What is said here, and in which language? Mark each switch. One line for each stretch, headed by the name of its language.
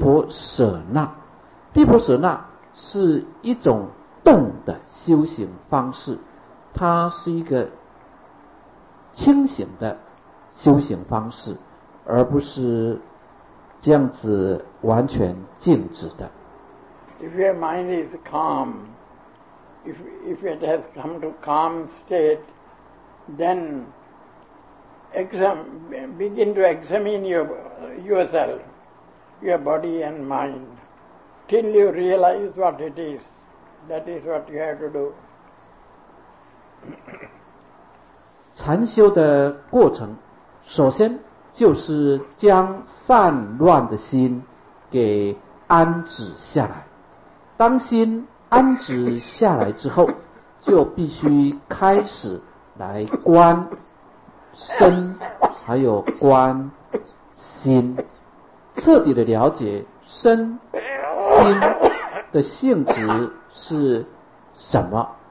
Chinese: 舍那。毗婆舍那是一种动的修行方式，它是一个清醒的修行方式，而不是 这样子完全静止的。
English: If your mind is calm, if it has come to calm state, then begin to examine yourself, your body and mind, till you realize what it is. That is what you have to do.
Chinese: 禅修的过程，首先 就是将散乱的心给安止下来。当心安止下来之后，就必须开始来观身，还有观心，彻底的了解身心的性质是什么。